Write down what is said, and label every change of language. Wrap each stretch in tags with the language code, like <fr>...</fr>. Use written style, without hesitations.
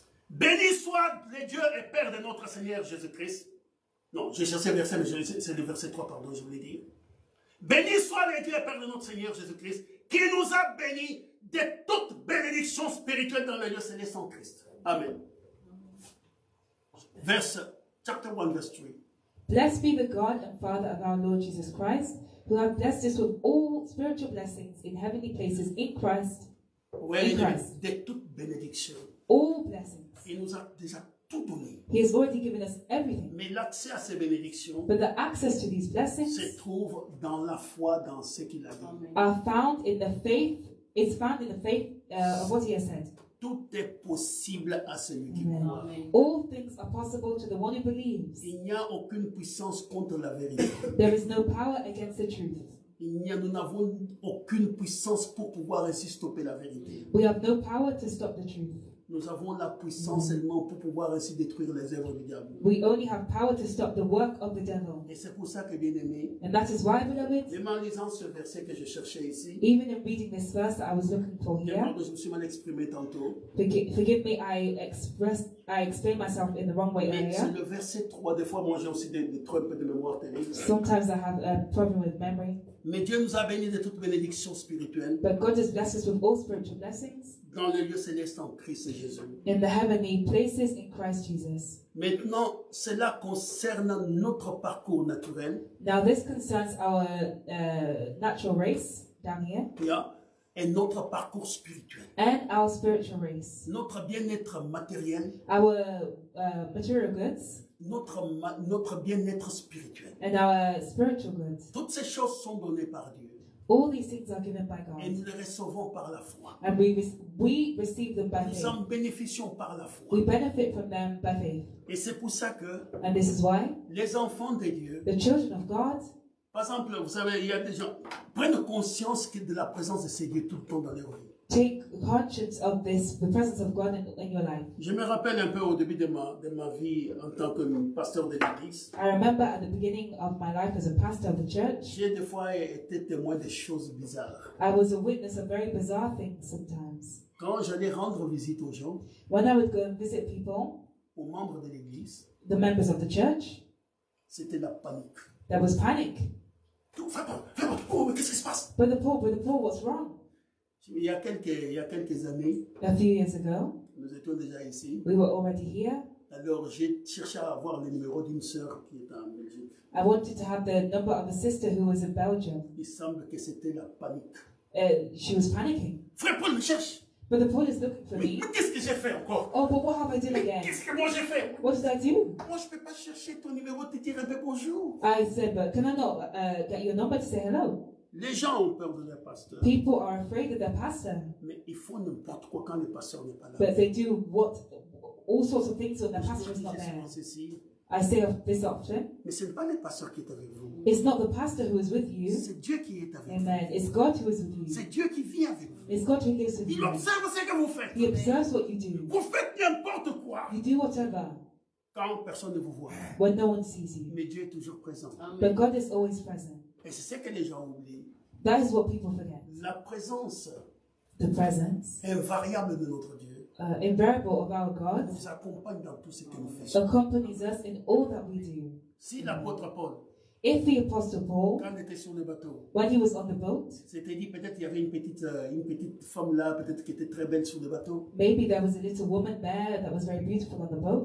<fr>Béni soit le Dieu et Père de notre Seigneur Jésus-Christ. Non, j'ai cherché le verset, mais c'est le verset 3, pardon, je voulais dire. Béni soit le Dieu et Père de notre Seigneur Jésus-Christ qui nous a bénis de toute bénédiction spirituelle dans les lieux célestes en Christ. Amen.</fr> <en>Verse, chapter 1, verse 3. Blessed be the God and Father of our Lord Jesus Christ, who have blessed us with all spiritual blessings in heavenly places in Christ. Well, in Christ.</en> <fr>De toute bénédiction.</fr> <en>All blessings.</en> <fr>Il nous a déjà tout donné.</fr> <en>He has already given us everything.</en> <fr>Mais l'accès à ces bénédictions.</fr> <en>But the access to these blessings.</en> <fr>Se trouve dans la foi dans ce qu'il a dit. Amen.</fr> <en>Are found in the faith. It's found in the faith of what he has said.</en> <fr>Tout est possible à celui qui croit.</fr> <en>All things are possible to the one who believes.</en> <fr>Il n'y a aucune puissance contre la vérité.</fr> <en>There is no power against the truth.</en> <fr>Nous n'avons aucune puissance pour pouvoir ainsi stopper la vérité.</fr> <en>We have no power to stop the truth.</en> <fr>Nous avons la puissance seulement pour pouvoir ainsi détruire les œuvres du diable.</fr> <en>We only have power to stop the work of the devil.</en> <fr>Et c'est pour ça que bien aimé.</fr> <en>And that is why, beloved.</en> <fr>Même en lisant ce verset que je cherchais ici.</fr> <en>Even in reading this verse that I was looking for here.</en> <fr>Tellement que je me suis mal exprimé tantôt.</fr> <en>Forgive me, I explained myself in the wrong way earlier.</en> <fr>Mais c'est le verset 3. Des fois, moi, j'ai aussi des troubles de mémoire terribles.</fr> <en>Sometimes I have a problem with memory.</en> <fr>Mais Dieu nous a bénis de toute bénédiction spirituelle.</fr> <en>But God has blessed us with all spiritual blessings.</en> <fr>Dans les lieux célestes en Christ Jésus.</fr> <en>In the heavenly places in Christ Jesus.</en> <fr>Maintenant, cela concerne notre parcours naturel.</fr> <en>Now this concerns our natural race down here.</en> <fr>Yeah. Et notre parcours spirituel.</fr> <en>And our spiritual race.</en> <fr>Notre bien-être matériel.</fr> <en>Our material goods.</en> <fr>Notre bien-être spirituel.</fr> <en>And our spiritual goods.</en> <fr>Toutes ces choses sont données par Dieu.</fr> <en>All these things are given by God.</en> <fr>Et nous les recevons par la foi.</fr> <en>And we receive them by faith.</en> <fr>Nous en bénéficions par la foi.</fr> <en>We benefit from them by faith.</en> <fr>Et c'est pour ça que.</fr> <en>And this is why.</en> <fr>Les enfants de Dieu.</fr> <en>The children of God.</en> <fr>Par exemple, vous savez, il y a des gens prennent conscience de la présence de ces dieux tout le temps dans leur vie.</fr> <en>Take conscience of this, the presence of God in your life.</en> <fr>Je me rappelle un peu au début de ma vie en tant que pasteur de l'église.</fr> <en>I remember at the beginning of my life as a pastor of the church.</en> <fr>J'ai des fois été témoin de choses bizarres.</fr> <en>I was a witness of very bizarre things sometimes.</en> <fr>Quand j'allais rendre visite aux gens.</fr> <en>When I would go and visit people.</en> <fr>Aux membres de l'église.</fr> <en>The members of the church.</en> <fr>C'était la panique.</fr> <en>There was panic.</en> <fr>Fais pas, mais qu'est-ce qui se passe?</fr> <en>But the poor, what's wrong?</en> <fr>Il y a quelques années,</fr> <en>a few years ago,</en> <fr>nous étions déjà ici.</fr> <en>We were already here.</en> <fr>Alors j'ai cherché à avoir le numéro d'une sœur qui est en Belgique.</fr> <en>I wanted to have the number of a sister who was in Belgium.</en> <fr>Il semble que c'était la panique.</fr> <en>She was panicking.</en> <fr>Frère Paul me cherche.</fr> <en>But the Paul is looking for</en> <fr>mais Mais qu'est-ce que j'ai fait encore?</fr> <en>Oh, but what have I done again?</en> <fr>Qu'est-ce que moi j'ai fait?</fr> <en>What did I do?</en> <fr>Moi je peux pas chercher ton numéro te dire un peu bonjour.</fr> <en>I said, but can I not get your number to say hello?</en> <fr>Les gens ont peur de leur pasteur.</fr> <en>People are afraid of their pastor.</en> <fr>Mais ils font n'importe quoi quand le pasteur n'est pas là.</fr> <en>But they do what all sorts of things when the pastor is not there.</en> <fr>Ici,</fr> <en>I say of this option.</en> <fr>Mais ce n'est pas le pasteur qui est avec vous.</fr> <en>It's not the pastor who is with you.</en> <fr>C'est Dieu qui est avec Amen. Vous.</fr> <en>It's God who is with you.</en> <fr>C'est Dieu qui vit avec vous.</fr> <en>It's God who lives with</en> <fr>Il Il observe ce que vous faites.</fr> <en>He observes what you do.</en> <fr>Vous faites n'importe quoi.</fr> <en>You do whatever.</en> <fr>Quand personne ne vous voit.</fr> <en>When no one sees you.</en> <fr>Mais Dieu est toujours présent.</fr> <en>Amen. But God is always present.</en> <fr>Et c'est ce que les gens oublient.</fr> <en>That is what people forget.</en> <fr>La présence.</fr> <en>The presence.</en> <fr>Invariable de notre Dieu.</fr> <en>Invariable of our God</en> <fr>vous accompagne dans tout ce que nous faisons.</fr> <en>Accompanies us in all that we do.</en> <fr>Si l'apôtre Paul,</fr> <en>if the apostle Paul,</en> <fr>quand était sur le bateau,</fr> <en>when he was on the boat,</en> <fr>c'était dit peut-être il y avait une petite femme là peut-être qui était très belle sur le bateau.</fr> <en>Maybe there was a little woman there that was very beautiful on the boat.</en>